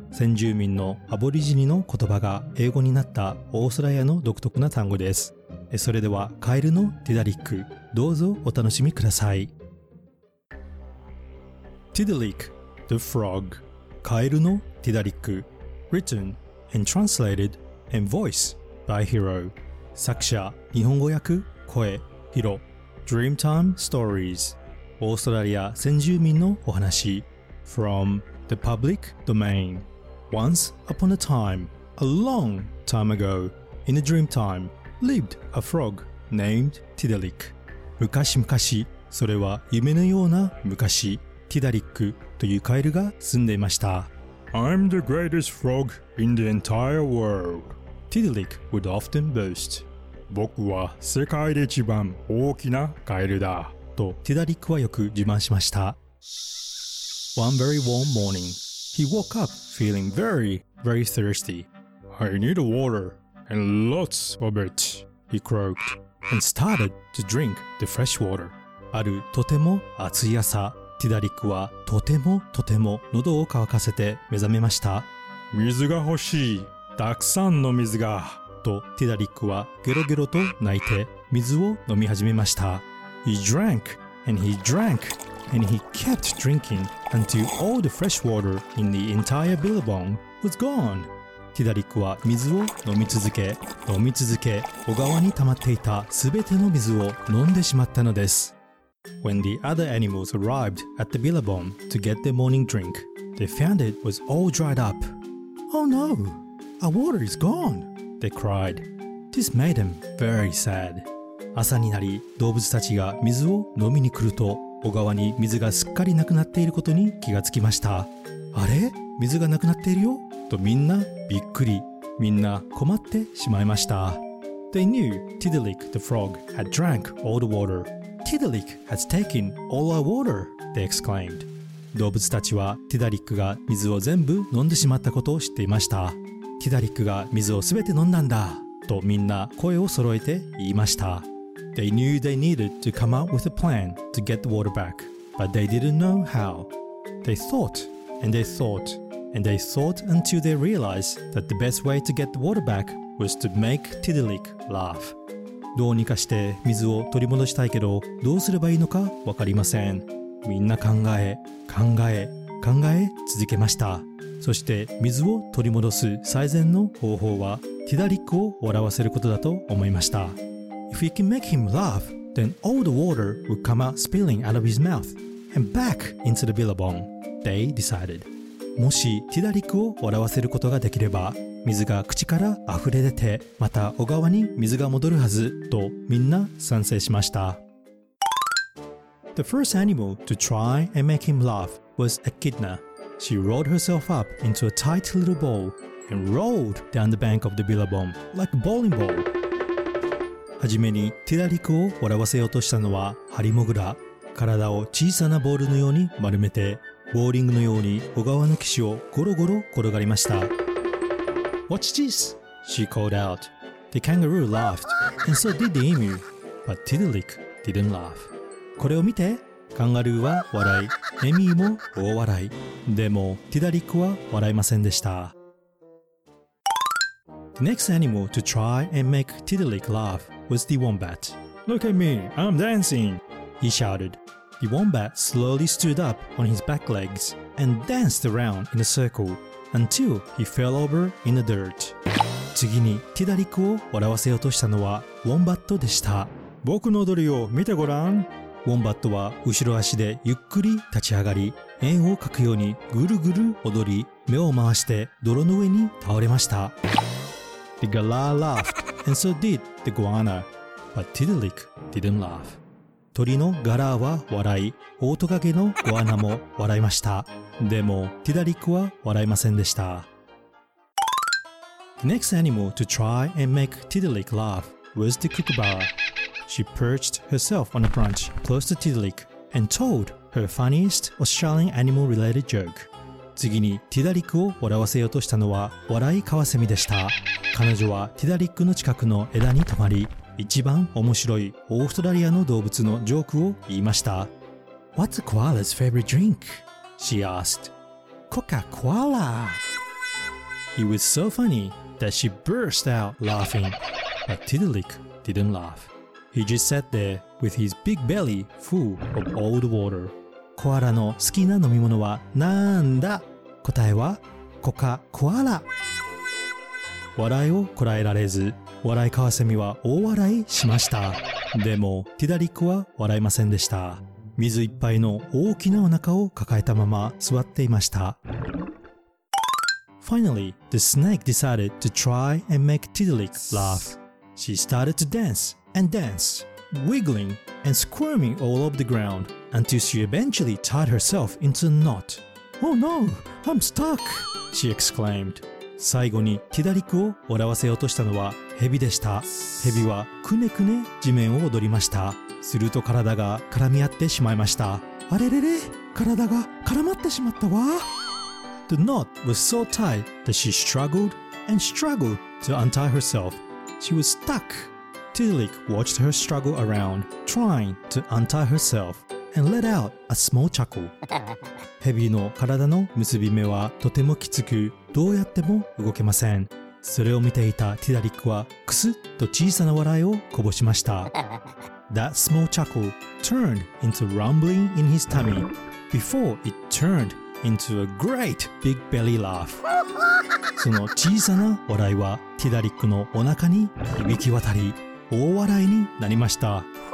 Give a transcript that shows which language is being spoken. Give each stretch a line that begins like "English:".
Japanese: 先住民のアボリジニの言葉が英語になったオーストラリアの独特な単語です。それではカエルのティダリック、どうぞお楽しみください。ティダリック
English: The Frog、
Japanese: カエルのティダリック。
English: Written and translated and voice by Hiro。
Japanese: 作者、日本語訳、声、ヒロ。
English: Dreamtime Stories、
Japanese: オーストラリア先住民のお話。
English: FromThe public domain. Once upon a time, a long time ago, in a dream time, lived a frog named Tidalik.
Japanese: 昔々、それは夢のような昔、ティダリックというカエルが住んでいました。
English: I'm the greatest frog in the entire world, Tidalik would often boast.
Japanese: 僕は世界で一番大きなカエルだ、とティダリックはよく自慢しました。
English: One very warm morning, he woke up feeling very, very thirsty. I need water and lots of it, he croaked. and started to drink the fresh water.
Japanese: あるとても暑い朝、ティダリックはとてもとても喉を渇かせて目覚めました。水が欲しい、たくさんの水が。とティダリックはゲロゲロと泣いて水を飲み始めました。
English: He drank and he drank and he kept drinking until all the fresh water in the entire billabong was gone.
Japanese: ティダリックは水を飲み続け、飲み続け、小川に溜まっていたすべての水を飲んでしまったのです。
English: When the other animals arrived at the billabong to get their morning drink, they found it was all dried up. Oh no! Our water is gone! They cried. This made them very sad.
Japanese: 朝になり、動物たちが水を飲みに来ると、小川に水がすっかりなくなっていることに気がつきました。あれ?水がなくなっているよ? とみんなびっくり、みんな困ってしまいました。
English: They knew Tiddalik the frog had drank all the water. Tiddalik has taken all our water, they exclaimed.
Japanese: 動物たちはティダリックが水を全部飲んでしまったことを知っていました。ティダリックが水をすべて飲んだんだ、とみんな声を揃えて言いました。
English: They knew they needed to come up with a plan to get the water back, but they didn't know how. They thought and they thought. And they thought until they realized that the best way to get the water back was to make Tiddalik laugh.
Japanese: どうにかして水を取り戻したいけど、どうすればいいのかわかりません。みんな考え、考え、考え続けました。そして水を取り戻す最善の方法は、Tiddalikを笑わせることだと思いました。
English: If we can make him laugh, then all the water would come out spilling out of his mouth and back into the billabong, they decided.
Japanese: もしティダリックを笑わせることができれば、水が口から溢れ出て、また小川に水が戻るはず、とみんな賛成しました。
English: The first animal to try and make him laugh was Echidna. She rolled herself up into a tight little ball and rolled down the bank of the billabong like a bowling ball.
Japanese: はじめにティダリックを笑わせようとしたのはハリモグラ。体を小さなボールのように丸めて、ボーリングのように小川の岸をゴロゴロ転がりました。
English: Watch this! She called out. The kangaroo laughed, and so did the emu. But Tiddalik didn't laugh.
Japanese: これを見て、カンガルーは笑い、エミーも大笑い。でも、ティダリックは笑いませんでした。
English: The next animal to try and make Tiddalik laugh was the wombat. Look at me, I'm dancing! He shouted. The wombat slowly stood up on his back legs and danced around in a circle until he fell over in the dirt.
Japanese: 次にティダリックを笑わせようとしたのはウォンバットでした。僕の踊りを見てごらん。ウォンバットは後ろ足でゆっくり立ち上がり、円を描くようにぐるぐる踊り、目を回して泥の上に倒れました。
English: The gala laughed and so did the guana, but Tiddalik didn't laugh.
Japanese: 鳥のガラーは笑い、オオトカゲのゴアナも笑いました。でも、ティダリックは笑いませんでした。
English: The next animal to try and make Tiddalik laugh was the kookaburra. She perched herself on a branch close to Tiddalik and told her funniest Australian animal-related joke.
Japanese: 次に、ティダリックを笑わせようとしたのは、笑いカワセミでした。彼女はティダリックの近くの枝に止まり、一番面白いオーストラリアの動物のジョークを言いました。
English: What's a koala's favorite drink? She asked. Coca-Cola! It was so funny that she burst out laughing, but Tiddalik didn't laugh. He just sat there with his big belly full of old water.
Japanese: コアラの好きな飲み物はなんだ?答えは Coca-Cola! 笑いをこらえられず、笑いカワセミは大笑いしました。でも、ティダリックは笑いませんでした。水いっぱいの大きなお腹を抱えたまま座っていました。
English: Finally, the snake decided to try and make Tiddalik laugh. She started to dance and dance, wiggling and squirming all over the ground until she eventually tied herself into a knot. Oh no, I'm stuck! She exclaimed.
Japanese: 最後にティダリックを笑わせようとしたのはヘビでした。ヘビはくねくね地面を踊りました。すると体が絡み合ってしまいました。あれれれ、体が絡まってしまったわ。
English: The knot was so tight that she struggled and struggled to untie herself. She was stuck. Tilik watched her struggle around, trying to untie herself, and let out a small chuckle.
Japanese: ヘビの体の結び目はとてもきつく、どうやっても動けません。それを見ていたティダリックはクスッと小さな笑いをこぼしました。
English: That small chuckle turned into rumbling in his tummy before it turned into a great big belly laugh.
Japanese: その小さな笑いはティダリックのお腹に響き渡り、大笑いになりました。